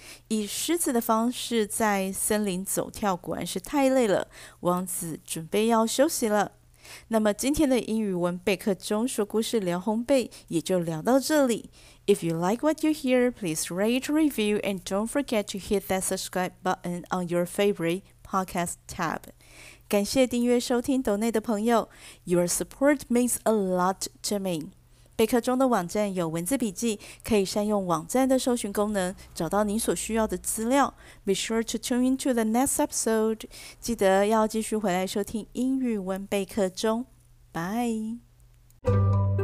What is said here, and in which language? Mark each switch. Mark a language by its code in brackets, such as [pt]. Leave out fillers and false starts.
[zh] 以狮子的方式在森林走跳果然是太累了，王子准备要休息了。那么今天的英语文备课中说故事聊烘焙也就聊到这里。 [en] If you like what you hear, please rate, review, and don't forget to hit that subscribe button on your favorite podcast tab. [zh] 感谢订阅收听斗内的朋友 ， [en] Your support means a lot to me。 [zh] 备课中的网站有文字笔记，可以善用网站的搜寻功能，找到你所需要的资料。 [en] Be sure to tune into the next episode。 [zh] 记得要继续回来收听英语文备课中。Bye。